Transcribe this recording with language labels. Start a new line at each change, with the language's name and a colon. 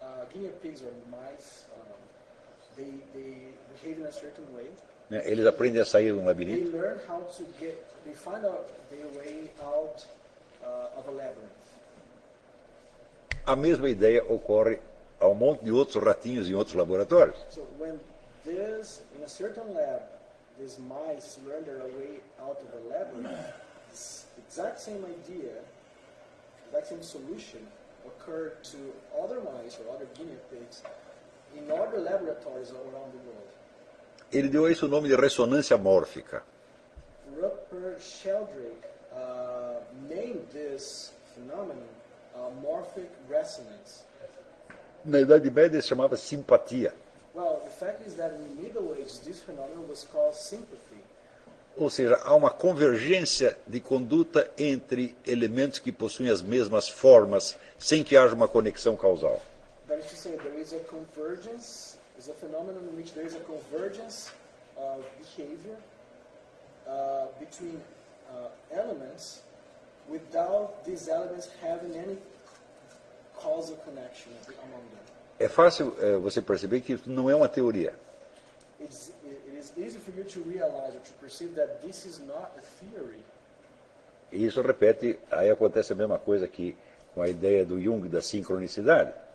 English: Guinea pigs or mice, they behave in a certain way.
Portuguese: Eles aprendem a sair de um labirinto.
English: They learn how to get, they find out their way out of a labyrinth.
Portuguese: a mesma ideia ocorre a um monte de outros ratinhos em outros laboratórios.
English: So when this, in a certain lab, these mice learn their way out of the lab, this exact same idea, exact same solution occurred to other mice or other guinea pigs in other laboratories around the world.
Portuguese: Ele deu a isso o nome de ressonância mórfica.
English: Rupert Sheldrake named this phenomenon morphic resonance.
Portuguese: Na Idade Média se chamava simpatia.
English: Well, the fact is that in the Middle Ages this phenomenon was called sympathy.
Portuguese: Ou seja, há uma convergência de conduta entre elementos que possuem as mesmas formas sem que haja uma conexão causal.
English: That is to say, there is a convergence. It's a phenomenon in which there is a convergence of behavior between elements without these elements having any causal connection among them.
Portuguese: É fácil você perceber que isso não é uma teoria.
English: It is easy for you to realize or to perceive that this is not a theory.
Portuguese: E isso repete, aí acontece a mesma coisa que com a ideia do Jung da sincronicidade.